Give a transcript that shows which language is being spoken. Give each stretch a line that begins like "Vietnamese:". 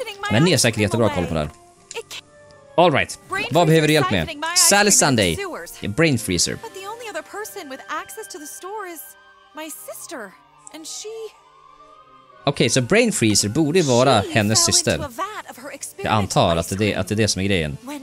Swedish: Men ni är säkert jättebra koll på det här.
English: All right,
Swedish: vad behöver du hjälp med?
English: Sally Sunday, brain freezer. But the only other person with access to the store is my sister, and she...
Swedish: Okej, så brain freezer borde vara hennes syster. Jag antar att det är som är grejen.